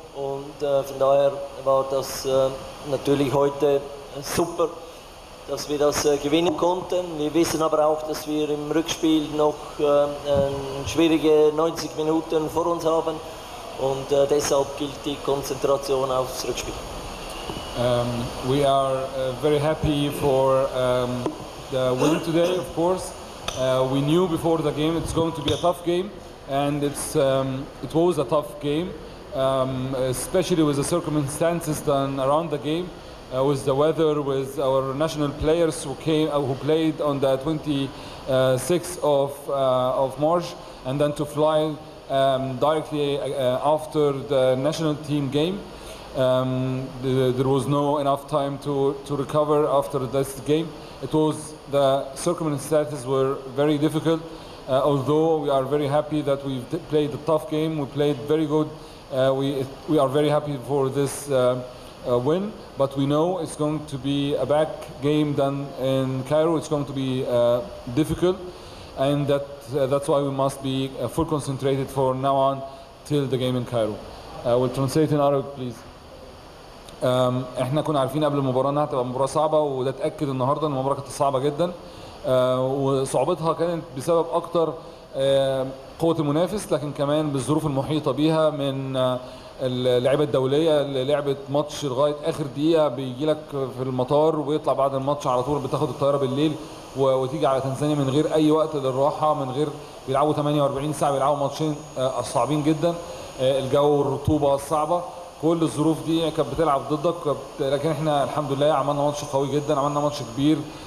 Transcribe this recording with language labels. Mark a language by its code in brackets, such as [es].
[de] Und von daher war das natürlich heute super, dass wir das gewinnen konnten. Wir wissen aber auch, dass wir im Rückspiel noch schwierige 90 Minuten vor uns haben. Und deshalb gilt die Konzentration aufs Rückspiel. [en] We are very happy for the win today, of course. We knew before the game it's going to be a tough game, and it's it was a tough game, especially with the circumstances done around the game, with the weather, with our national players who came, who played on the 26th of March, and then to fly directly after the national team game. There was no enough time to recover after this game. It was, the circumstances were very difficult, although we are very happy that we played a tough game, we played very good. We are very happy for this win, but we know it's going to be a back game than in Cairo. It's going to be difficult, and that's why we must be full concentrated for now on till the game in Cairo. We'll translate in Arabic, please. [ar] احنا كنا عارفين قبل المباراه انها هتبقى مباراه صعبه، وده اتاكد النهارده ان المباراه كانت صعبه جدا، وصعوبتها كانت بسبب اكتر قوه المنافس، لكن كمان بالظروف المحيطه بيها من اللعيبه الدوليه اللي لعبت ماتش لغايه اخر دقيقه، بيجي لك في المطار ويطلع بعد الماتش على طول، بتاخد الطياره بالليل وتيجي على تنزانيا من غير اي وقت للراحه، من غير بيلعبوا 48 ساعه، بيلعبوا ماتشين صعبين جدا، الجو والرطوبه الصعبه، كل الظروف دي كانت بتلعب ضدك، لكن احنا الحمد لله عملنا ماتش قوي جدا، عملنا ماتش كبير